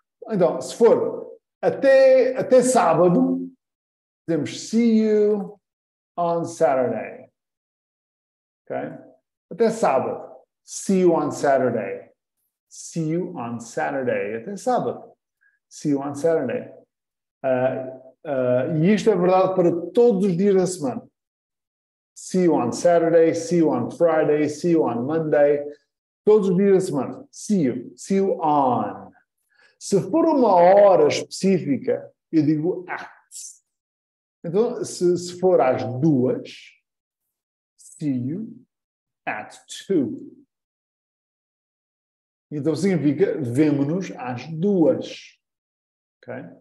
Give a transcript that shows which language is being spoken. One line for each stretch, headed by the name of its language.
Portuguese: Então, se for até sábado, dizemos
English: see you on Saturday.
Portuguese: Ok? Até sábado.
English: See you on Saturday. See you on Saturday.
Portuguese: Até sábado.
English: See you on Saturday.
Portuguese: E isto é verdade para todos os dias da semana.
English: See you on Saturday, see you on Friday, see you on Monday.
Portuguese: Todos os dias da semana.
English: See you on.
Portuguese: Se for uma hora específica, eu digo at. Então, se for às duas,
English: see you at two.
Portuguese: Então, significa vemo-nos às duas. Ok?